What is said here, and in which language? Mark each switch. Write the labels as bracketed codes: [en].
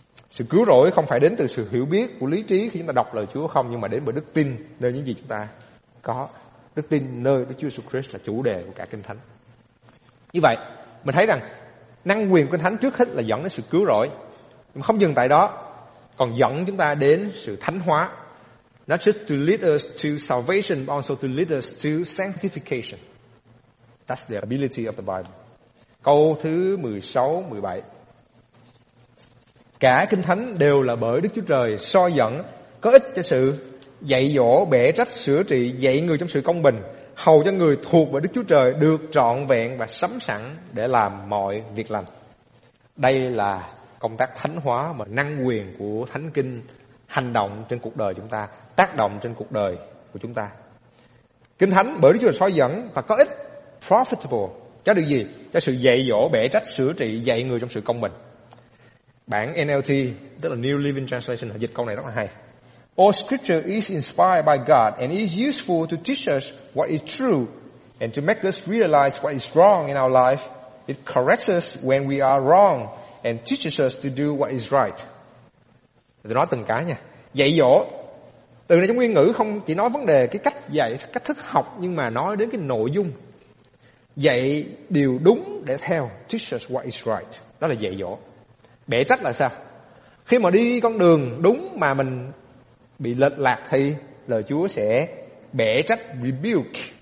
[vi] Sự cứu rỗi không phải đến từ sự hiểu biết của lý trí khi chúng ta đọc lời Chúa không, nhưng mà đến bởi đức tin nơi những gì chúng ta có. Đức tin nơi Đức Chúa Jesus Christ là chủ đề của cả Kinh Thánh. Như vậy mình thấy rằng năng quyền của Kinh Thánh trước hết là dẫn đến sự cứu rỗi, nhưng không dừng tại đó, còn dẫn chúng ta đến sự thánh hóa. [en] Not just to lead us to salvation, but also to lead us to sanctification. That's the ability of the Bible. [vi] Câu thứ 16, 17. Cả Kinh Thánh đều là bởi Đức Chúa Trời soi dẫn, có ích cho sự dạy dỗ, bẻ trách, sửa trị, dạy người trong sự công bình, hầu cho người thuộc về Đức Chúa Trời được trọn vẹn và sắm sẵn để làm mọi việc lành. Đây là công tác thánh hóa mà năng quyền của Thánh Kinh hành động trên cuộc đời chúng ta, tác động trên cuộc đời của chúng ta. Kinh Thánh bởi Đức Chúa Trời soi dẫn và có ích, profitable, cho điều gì? Cho sự dạy dỗ, bẻ trách, sửa trị, dạy người trong sự công bình. Bản NLT, tức là New Living Translation, dịch câu này rất là hay. [en] All scripture is inspired by God and is useful to teach us what is true and to make us realize what is wrong in our life. It corrects us when we are wrong and teaches us to do what is right. [vi] Tôi nói từng cái nha. Dạy dỗ. Từ này trong nguyên ngữ không chỉ nói vấn đề cái cách dạy, cách thức học, nhưng mà nói đến cái nội dung. Dạy điều đúng để theo. [en] Teach us what is right. [vi] Đó là dạy dỗ. Bẻ trách là sao? Khi mà đi con đường đúng mà mình bị lệch lạc thì lời Chúa sẽ bẻ trách, rebuke.